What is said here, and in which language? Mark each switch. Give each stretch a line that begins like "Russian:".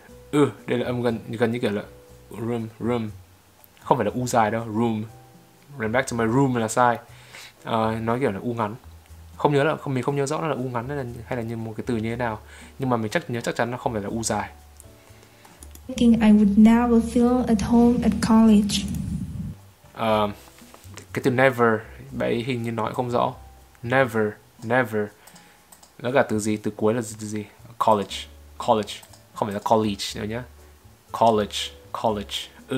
Vietnamese: Ừ, đây là âm gần như kiểu là room. Không phải là u dài đâu, room.
English: Ran back to my room
Vietnamese: là sai. Nói kiểu là u ngắn. Mình không nhớ rõ là u ngắn hay là như một cái từ như thế nào, nhưng mà mình chắc chắn nó không phải là u dài.
English: Thinking I would never feel at home at college.
Vietnamese: Cái từ never, bạn ấy hình như nói không rõ. Never. Nó cả từ gì, từ cuối là gì? College, không phải là college nữa nhá. College.